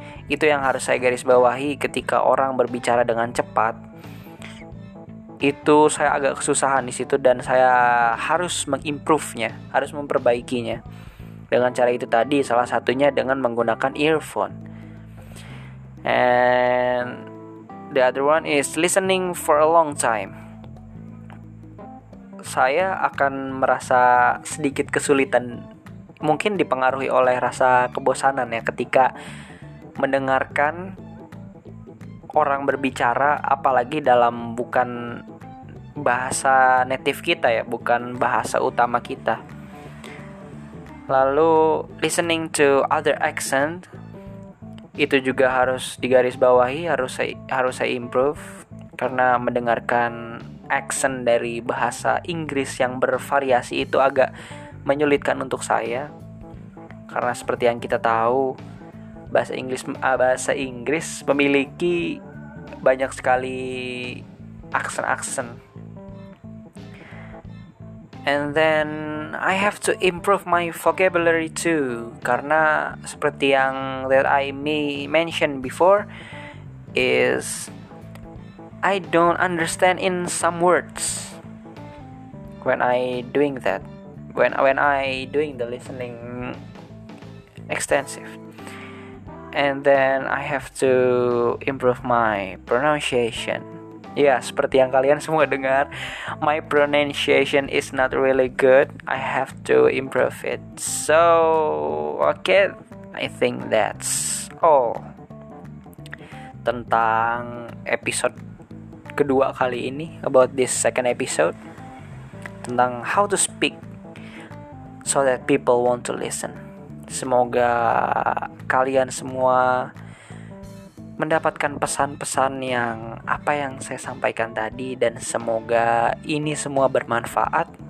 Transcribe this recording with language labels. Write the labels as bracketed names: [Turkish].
[Indonesian] Itu yang harus saya garis bawahi ketika orang berbicara dengan cepat. Itu saya agak kesusahan di situ dan saya harus mengimprove-nya, harus memperbaikinya. Dengan cara itu tadi, salah satunya dengan menggunakan earphone. [English] And the other one is listening for a long time. [Indonesian] Saya akan merasa sedikit kesulitan, mungkin dipengaruhi oleh rasa kebosanan ya, ketika mendengarkan orang berbicara, apalagi dalam bukan bahasa native kita ya, bukan bahasa utama kita. Lalu [English] listening to other accent, [Indonesian] itu juga harus digarisbawahi, harus saya improve, karena mendengarkan accent dari bahasa Inggris yang bervariasi itu agak menyulitkan untuk saya, karena seperti yang kita tahu bahasa Inggris memiliki banyak sekali aksen-aksen. [English] And then I have to improve my vocabulary too, [Indonesian] karena seperti yang [English] that I mentioned before is I don't understand in some words when I doing that, when I doing the listening extensive, and then I have to improve my pronunciation. Yeah, [Indonesian] seperti yang kalian semua dengar, [English] my pronunciation is not really good. I have to improve it. So, okay, I think that's all [Indonesian] tentang episode kedua kali ini, [English] about this second episode, tentang how to speak so that people want to listen. [Indonesian] Semoga kalian semua mendapatkan pesan-pesan yang apa yang saya sampaikan tadi, dan semoga ini semua bermanfaat.